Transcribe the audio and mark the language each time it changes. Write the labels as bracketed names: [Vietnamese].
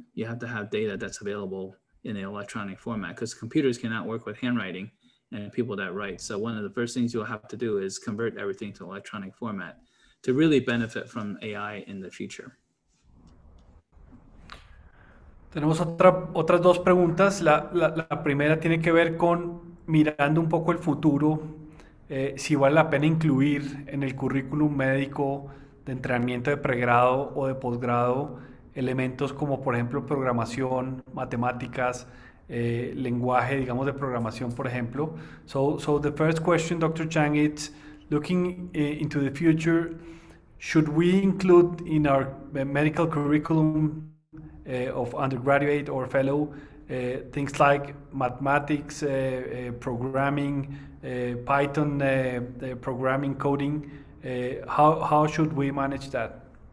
[English] You have to have data that's available in an electronic format because computers cannot work with handwriting and people that write. So one of the first things you'll have to do is convert everything to electronic format to really benefit from AI in the future. [Spanish] Tenemos otras dos preguntas. La primera tiene que ver con mirando un poco el futuro. Si vale la pena incluir en el currículum médico de entrenamiento de pregrado o de posgrado elementos como, por ejemplo, programación, matemáticas, lenguaje, digamos, de programación, por ejemplo. [English] So the first question, Dr. Chang, is looking into the future, should we include in our medical curriculum of undergraduate or fellow things like mathematics, programming, Python, programming, coding, how should we manage that?